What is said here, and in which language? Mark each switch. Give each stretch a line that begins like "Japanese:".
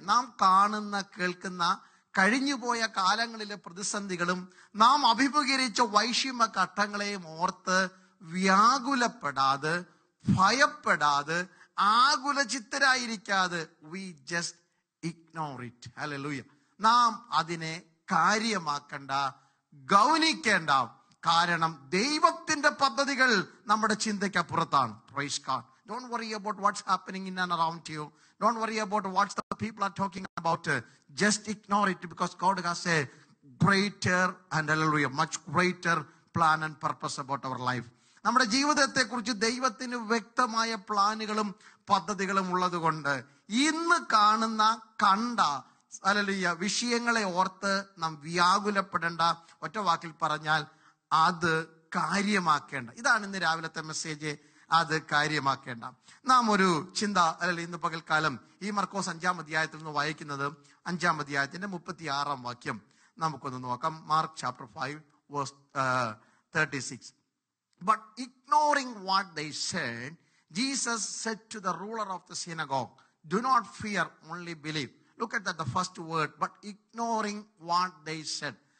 Malayalam: നാം കാണുന്ന, കേൾക്കുന്ന, കഴിഞ്ഞുപോയ കാലങ്ങളിലെ പ്രതിസന്ധികളും നാം അഭിമുഖീകരിച്ച വൈഷമ്യ ഘട്ടങ്ങളെയും ഓർത്ത് വ്യാകുലപ്പെടാതെ, ഭയപ്പെടാതെ, ആകുലചിത്തരായിരിക്കാതെ,
English: We just ignore it.
Malayalam: Hallelujah. നാം അതിനെ കാര്യമാക്കണ്ട, ഗൗനിക്കേണ്ട. കാരണം ദൈവത്തിന്റെ പദ്ധതികൾ നമ്മുടെ ചിന്തയ്ക്ക് അപ്പുറത്താണ്.
English: Praise God. Don't worry about what's happening in and around you. Don't worry about what the people are talking about. Just ignore it, because God has a greater and hallelujah, much greater plan and purpose about our life.
Malayalam: നമ്മുടെ ജീവിതത്തെ കുറിച്ച് ദൈവത്തിന് വ്യക്തമായ പ്ലാനുകളും പദ്ധതികളും ഉള്ളതുകൊണ്ട് ഇന്ന് കാണുന്ന, കണ്ട, ഹല്ലേലൂയ, വിഷയങ്ങളെ ഓർത്ത് നാം വ്യാകുലപ്പെടേണ്ട. ഒറ്റ വാക്കിൽ പറഞ്ഞാൽ അത് കാര്യമാക്കേണ്ട. ഇതാണ് ഇന്ന് രാവിലത്തെ മെസ്സേജ്. അത് കാര്യമാക്കേണ്ട. നാം ഒരു ചിന്ത, അല്ലെങ്കിൽ ഇന്ന് പകൽക്കാലം ഈ മർക്കോസ് 5-ാം അധ്യായത്തിൽ നിന്ന് വായിക്കുന്നത്, 5-ാം അധ്യായത്തിന്റെ 36-ാം വാക്യം നമുക്കൊന്ന് നോക്കാം.
English: Mark chapter 5:36. But ignoring what they said, Jesus said to the ruler of the synagogue, do not fear, only believe. Look at that, the first word, but ignoring what they said.